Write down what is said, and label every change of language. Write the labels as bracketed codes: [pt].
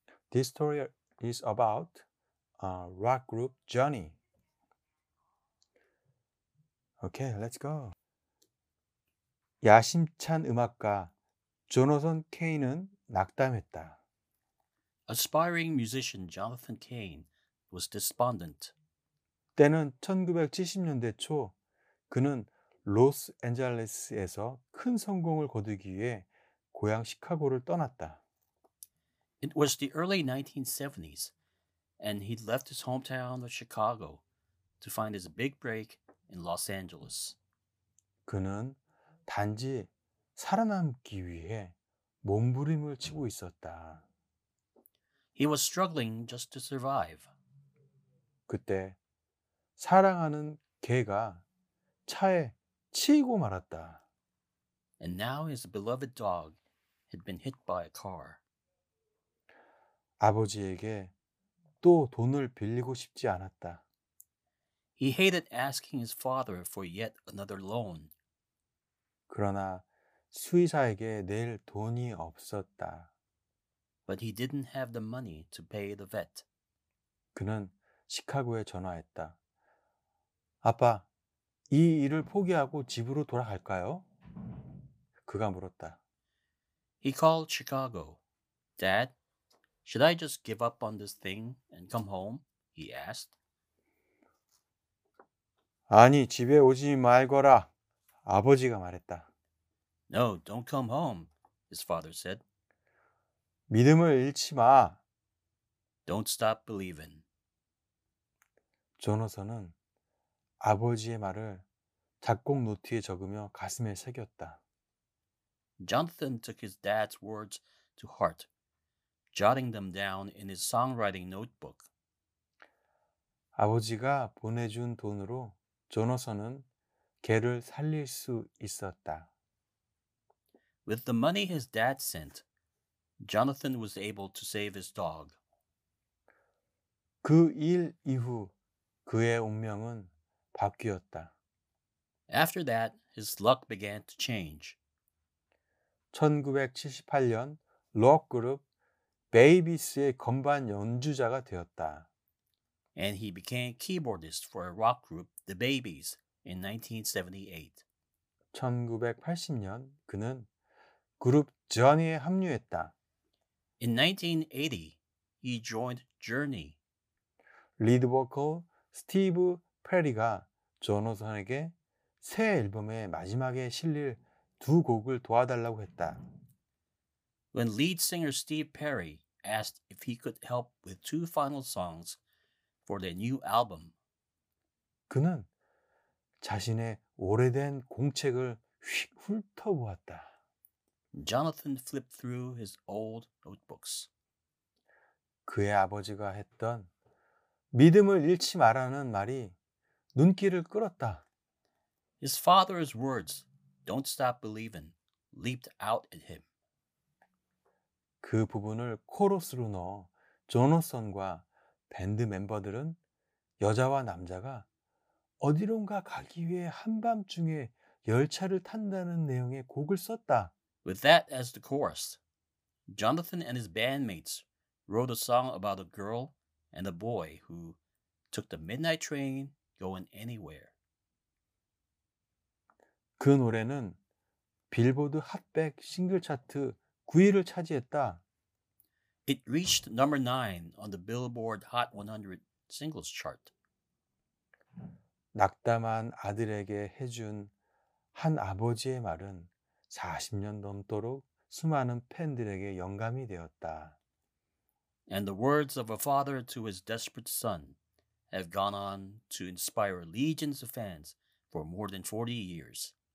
[en] This story is about a rock group Johnny. Okay, let's go. [ko] 야심찬 음악가 조너선 케인은 낙담했다. [en] Aspiring musician Jonathan Cain was despondent. [ko] 때는 1970년대 초, 그는 로스앤젤레스에서 큰 성공을 거두기 위해 고향 시카고를 떠났다. [en] It was the early 1970s, and he left his hometown of Chicago to find his big break in Los Angeles. [ko] 그는 단지 살아남기 위해 몸부림을 치고 있었다. [en] He was struggling just to survive. [ko] 그때 사랑하는 개가 차에 치이고 말았다. [en] And now his beloved dog had been hit by a car. [ko] 아버지에게 또 돈을 빌리고 싶지 않았다. [en] He hated asking his father for yet another loan. [ko] 그러나 수의사에게 낼 돈이 없었다. [en] But he didn't have the money to pay the vet. [ko] 그는 시카고에 전화했다. 아빠, 이 일을 포기하고 집으로 돌아갈까요? 그가 물었다. [en] He called Chicago. Dad, should I just give up on this thing and come home? He asked. [ko] 아니, 집에 오지 말거라. 아버지가 말했다. [en] No, don't come home, his father said. [ko] 믿음을 잃지 마. [en] Don't stop believing. [ko] 조너선은 아버지의 말을 작곡 노트에 적으며 가슴에 새겼다. [en] Jonathan took his dad's words to heart, jotting them down in his songwriting notebook. [ko] 아버지가 보내준 돈으로 조너선은 개를 살릴 수 있었다. [en] With the money his dad sent, Jonathan was able to save his dog. [ko] 그 일 이후 그의 운명은 바뀌었다. [en] After that, his luck began to change. [ko] 1978년 록 그룹 베이비스의 건반 연주자가 되었다. [en] And he became keyboardist for a rock group, The Babies, in 1978. [ko] 1980년 그는 그룹 Journey에 합류했다. [en] In 1980, he joined Journey. [ko] 리드 보컬 스티브 페리가 조너선에게 새 앨범의 마지막에 실릴 두 곡을 도와달라고 했다. [en] When lead singer Steve Perry asked if he could help with two final songs for their new album, [ko] 그는 자신의 오래된 공책을 휙 훑어보았다. [en] Jonathan flipped through his old notebooks. [ko] 그의 아버지가 했던 믿음을 잃지 마라는 말이 눈길을 끌었다. [en] His father's words, "Don't stop believing," leaped out at him. [ko] 그 부분을 코러스로 넣어 조너선과 밴드 멤버들은 여자와 남자가 어디론가 가기 위해 한밤중에 열차를 탄다는 내용의 곡을 썼다. [en] With that as the chorus, Jonathan and his bandmates wrote a song about a girl and a boy who took the midnight train going anywhere. [ko] 그 노래는 빌보드 핫100 싱글 차트 9위를 차지했다. [en] It reached number 9 on the Billboard Hot 100 singles chart. [ko] 낙담한 아들에게 해준 한 아버지의 말은 40년 넘도록 수많은 팬들에게 영감이 되었다. [en] And the words of a father to his desperate son have gone on to inspire legions of fans for more than 40 years.